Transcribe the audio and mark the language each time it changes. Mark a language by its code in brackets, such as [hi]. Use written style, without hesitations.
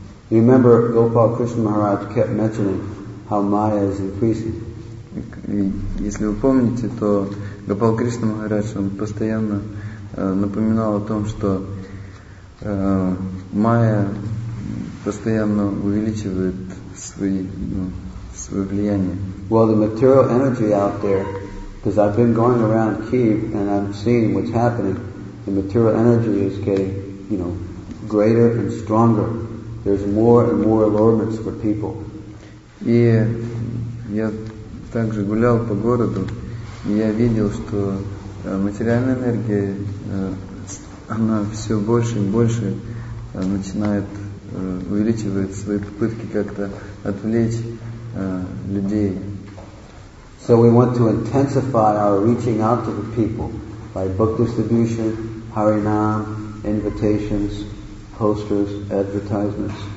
[en] Remember, Gopal Krishna Maharaj kept mentioning how Maya is increasing. [ru] Если вы помните, то Гопал Кришна Махарадж, он постоянно напоминал о том, что Майя постоянно увеличивает свое влияние. [en] Well, the material energy out there, because I've been going around Kiev and I'm seeing what's happening, the material energy is getting, you know, greater and stronger. There's more and more allurements for people. [ru] И я также гулял по городу, и я видел, что материальная энергия, она все больше и больше начинает увеличивать свои попытки как-то отвлечь людей. [en] So we want to intensify our reaching out to the people by book distribution, Harinam, invitations, posters, advertisements.